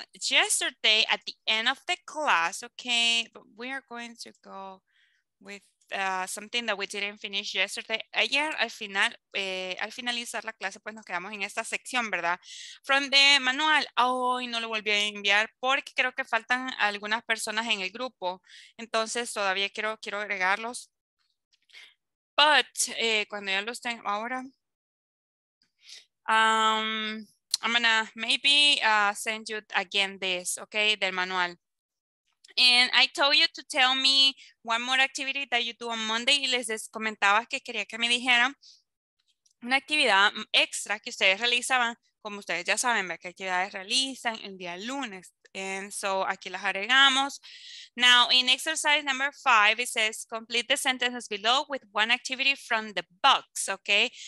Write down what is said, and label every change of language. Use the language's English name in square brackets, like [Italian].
[English] Yesterday, at the end of the class, okay, we are going to go with something that we didn't finish yesterday. [Spanish] Ayer, al final, al finalizar la clase, pues nos quedamos en esta sección, ¿verdad? [English] From the manual, [Spanish] hoy no lo volví a enviar porque creo que faltan algunas personas en el grupo. Entonces, todavía quiero agregarlos. But, cuando ya los tengo ahora, [English] I'm gonna maybe send you again this, [Spanish] okay, del manual. [English] And I told you to tell me one more activity that you do on Monday. [Spanish] Y les comentaba que quería que me dijeran una actividad extra que ustedes realizaban, como ustedes ya saben, ¿qué actividades realizan el día lunes? [English] And so [Spanish] aquí las agregamos. [English] Now, in exercise number 5, it says complete the sentences below with one activity from the box, okay?